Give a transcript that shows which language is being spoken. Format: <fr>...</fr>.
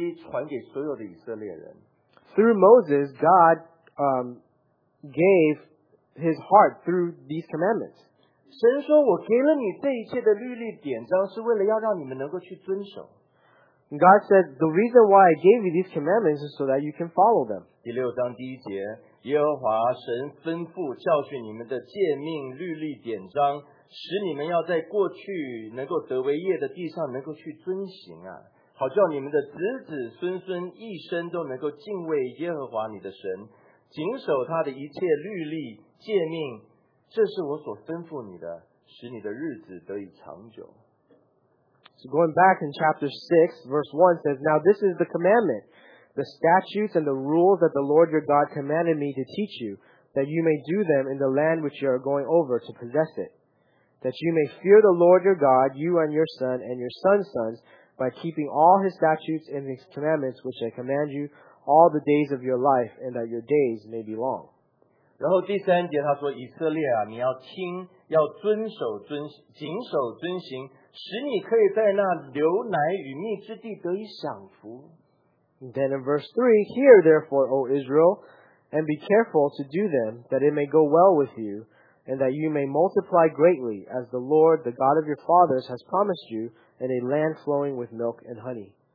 <zh>神将他的心意借着摩西传给所有的以色列人。</zh> <en>Through Moses, God gave his heart through these commandments.</en> <zh>神说我给了你这一切的律例典章是为了要让你们能够去遵守。</zh> <en>God said, the reason why I gave you these commandments is so that you can follow them.</en> <zh>第六章第一节，耶和华神吩咐教训你们的诫命、律例、典章， 使你们要在过去能够得为业的地上能够去遵行啊，好叫你们的子子孙孙一生都能够敬畏耶和华你的神，谨守他的一切律例诫命，这是我所吩咐你的，使你的日子得以长久。</zh> <en>So going back in chapter 6, verse 1 says, now this is the commandment, the statutes and the rules that the Lord your God commanded me to teach you, that you may do them in the land which you are going over to possess it. That you may fear the Lord your God, you and your son and your son's sons, by keeping all his statutes and his commandments which I command you all the days of your life, and that your days may be long.</en> <zh>然后第三节他说，以色列啊，你要听，要遵守遵行，谨守遵行，使你可以在那流奶与蜜之地得以享福。</zh> <en>Then in verse 3, hear therefore, O Israel, and be careful to do them, that it may go well with you, and that you may multiply greatly, as the Lord, the God of your fathers, has promised you, in a land flowing with milk and honey.</en>